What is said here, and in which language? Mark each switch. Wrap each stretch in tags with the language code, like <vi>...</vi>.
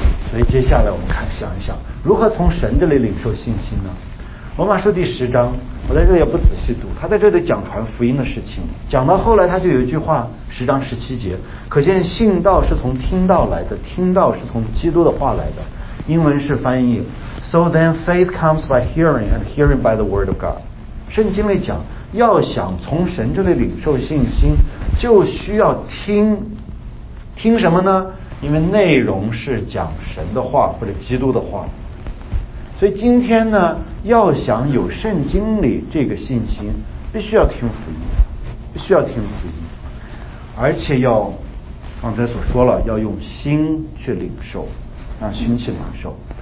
<zh>所以接下来我们看想一想如何从神这里领受信心呢？罗马书第十章，我在这里也不仔细读，他在这里讲传福音的事情，讲到后来他就有一句话，十章十七节，可见信道是从听道来的，听道是从基督的话来的。英文是翻译</zh> <en>So then faith comes by hearing and hearing by the word of God。</en> <zh>圣经里讲要想从神这里领受信心就需要听，听什么呢？因为内容是讲神的话或者基督的话。所以今天呢，要想有圣经里这个信心，必须要听福音，必须要听福音，而且要刚才所说了，要用心去领受，让心去领受。</zh>